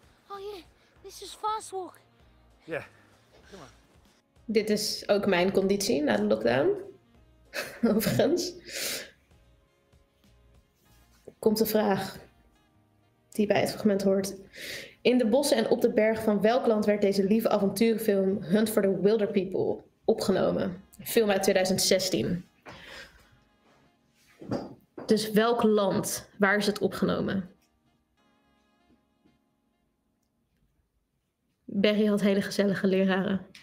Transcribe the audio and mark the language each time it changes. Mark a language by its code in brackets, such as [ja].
[en] Oh yeah, this is fast walk. Ja, yeah. [nl] Dit is ook mijn conditie na de lockdown, overigens. Komt de vraag die bij het fragment hoort. In de bossen en op de berg van welk land werd deze lieve avonturenfilm Hunt for the Wilder People opgenomen? Een film uit 2016. Dus welk land, waar is het opgenomen? Berry had hele gezellige leraren.